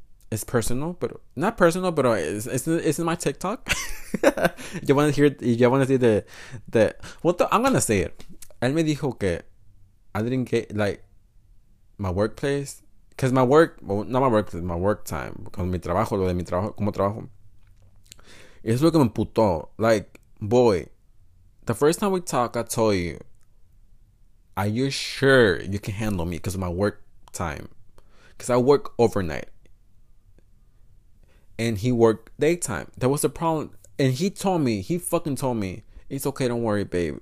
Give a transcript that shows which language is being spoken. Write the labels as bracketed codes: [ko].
[en] It's personal, but not personal, but it's in my TikTok. You want to hear, you want to see I'm going to say it. [es] Él me dijo que [en] I didn't get, like, my workplace. Because my work, well, not my work, my work time. [es] Con mi trabajo, lo de mi trabajo, como trabajo. Es lo que me putó. [en] Like, boy, the first time we talk, I told you, are you sure you can handle me because of my work time? Because I work overnight. And he worked daytime. That was the problem. And he told me, he fucking told me, it's okay, don't worry, babe.